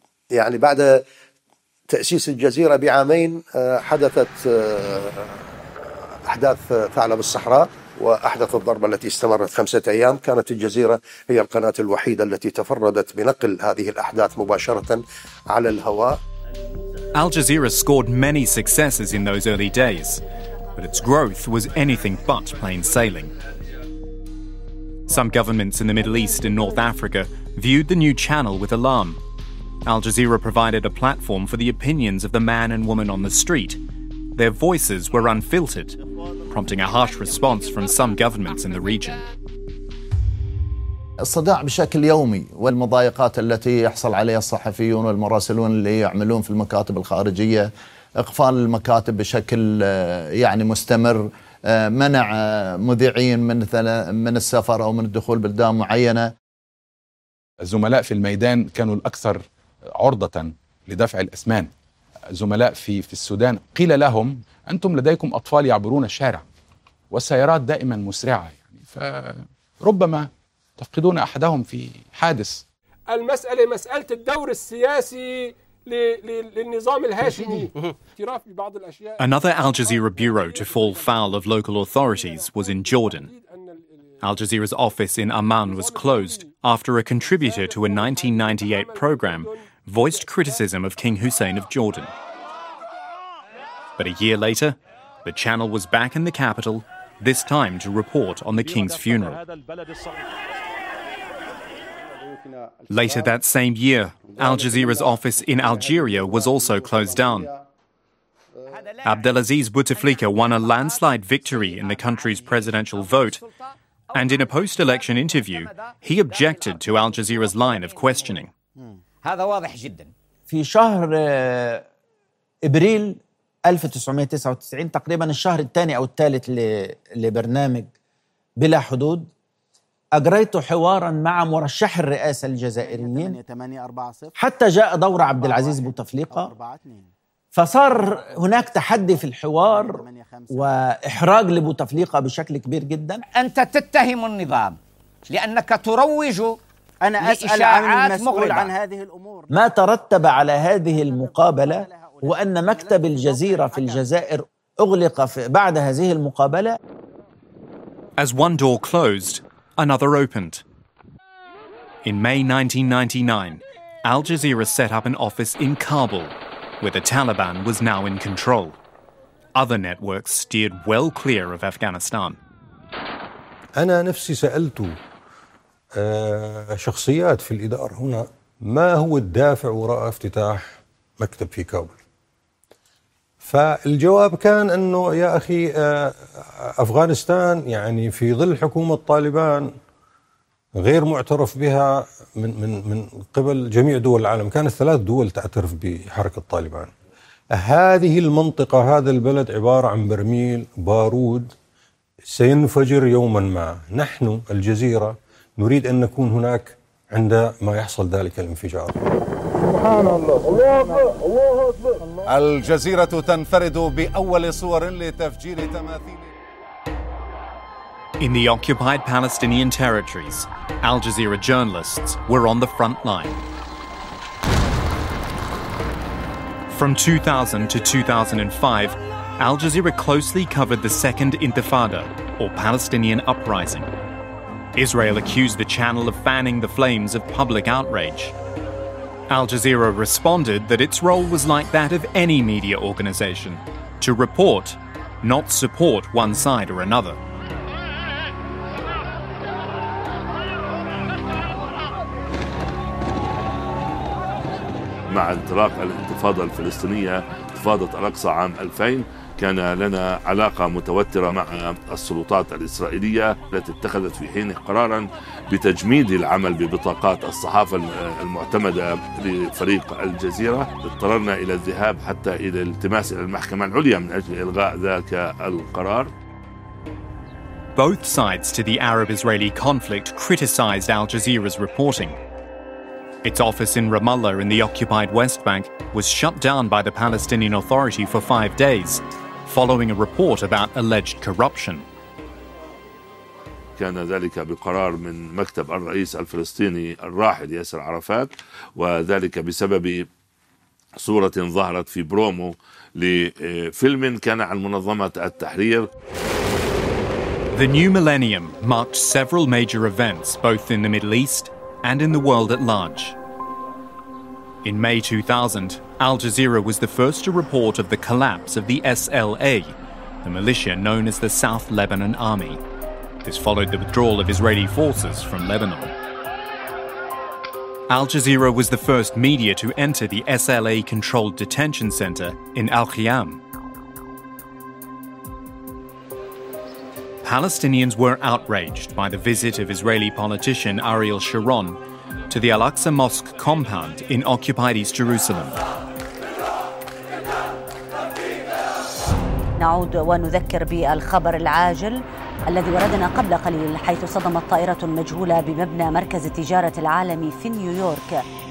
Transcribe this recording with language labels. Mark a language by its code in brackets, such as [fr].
[ar] يعني بعد تأسيس الجزيرة بعامين حدثت أحداث ثعلب الصحراء وأحدث الضربة التي استمرت خمسة أيام. كانت الجزيرة هي القناة الوحيدة التي تفردت بنقل هذه الأحداث مباشرة على الهواء. [en] Al Jazeera scored many successes in those early days, but its growth was anything but plain sailing. Some governments in the Middle East and North Africa viewed the new channel with alarm. Al Jazeera provided a platform for the opinions of the man and woman on the street. Their voices were unfiltered, prompting a harsh response from some governments in the region. [ar] الصداع بشكل يومي والمضايقات التي يحصل عليها الصحفيون والمراسلون اللي يعملون في المكاتب الخارجية, إقفال المكاتب بشكل يعني مستمر, منع مذيعين من السفر أو من الدخول بلدان معينة. الزملاء في الميدان كانوا الأكثر عرضة لدفع الأسمان. زملاء في السودان قيل لهم أنتم لديكم أطفال يعبرون الشارع والسيارات دائما مسرعة يعني فربما تفقدون أحدهم في حادث. المسألة مسألة الدور السياسي للنظام الهاشمي. [en] Another Al Jazeera bureau to fall foul of local authorities was in Jordan. Al Jazeera's office in Amman was closed after a contributor to a 1998 program voiced criticism of King Hussein of Jordan. But a year later, the channel was back in the capital, this time to report on the king's funeral. Later that same year, Al Jazeera's office in Algeria was also closed down. Abdelaziz Bouteflika won a landslide victory in the country's presidential vote, and in a post-election interview, he objected to Al Jazeera's line of questioning. [ar] هذا واضح جدا. في شهر ابريل 1999 تقريبا الشهر الثاني او الثالث لبرنامج بلا حدود اجريت حوارا مع مرشح الرئاسه الجزائريين حتى جاء دور عبد العزيز بوتفليقه فصار هناك تحدي في الحوار واحراج لبوتفليقه بشكل كبير جدا. انت تتهم النظام لانك تروج. أنا أسأل عن المسؤول عن هذه الأمور. ما ترتب على هذه المقابلة هو أن مكتب الجزيرة في الجزائر أغلق بعد هذه المقابلة. [en] As one door closed, another opened. In May 1999, Al Jazeera set up an office in Kabul, where the Taliban was now in control. Other networks steered well clear of Afghanistan. [ar] أنا نفسي سألته شخصيات في الإدارة هنا ما هو الدافع وراء افتتاح مكتب في كابل فالجواب كان أنه يا أخي أفغانستان يعني في ظل حكومة طالبان غير معترف بها من, من, من قبل جميع دول العالم كانت ثلاث دول تعترف بحركة طالبان هذه المنطقة هذا البلد عبارة عن برميل بارود سينفجر يوما ما نحن الجزيرة نريد أن نكون هناك عند ما يحصل ذلك الانفجار. سبحان الله. الله الله أكبر. الجزيرة تنفرد بأول صور لتفجير تماثيل. [en] In the occupied Palestinian territories, Al Jazeera journalists were on the front line. From 2000 to 2005, Al Jazeera closely covered the Second Intifada, or Palestinian uprising. Israel accused the channel of fanning the flames of public outrage. Al Jazeera responded that its role was like that of any media organization, to report, not support one side or another. [ar] مع انطلاق الانتفاضة الفلسطينية انتفاضة الأقصى عام 2000 كان لنا علاقة متوترة مع السلطات الإسرائيلية التي اتخذت في حين قرارا بتجميد العمل ببطاقات الصحافة المعتمدة لفريق الجزيرة اضطررنا إلى الذهاب حتى إلى التماس إلى المحكمة العليا من أجل إلغاء ذلك القرار. [en] Both sides to the Arab-Israeli conflict criticized Al Jazeera's reporting. Its office in Ramallah in the occupied West Bank was shut down by the Palestinian Authority for 5 days, following a report about alleged corruption. [ar] كان ذلك بقرار من مكتب الرئيس الفلسطيني الراحل ياسر عرفات، وذلك بسبب صورة ظهرت في برومو لفيلم كان عن منظمة التحرير. [en] The new millennium marked several major events both in the Middle East and in the world at large. In May 2000, Al Jazeera was the first to report of the collapse of the SLA, the militia known as the South Lebanon Army. This followed the withdrawal of Israeli forces from Lebanon. Al Jazeera was the first media to enter the SLA-controlled detention center in Al Khiyam. Palestinians were outraged by the visit of Israeli politician Ariel Sharon to the Al-Aqsa Mosque compound in occupied East Jerusalem. [ar] نعود ونذكر بالخبر العاجل الذي وردنا قبل قليل حيث صدمت طائرة مجهولة بمبنى مركز التجارة العالمي في نيويورك.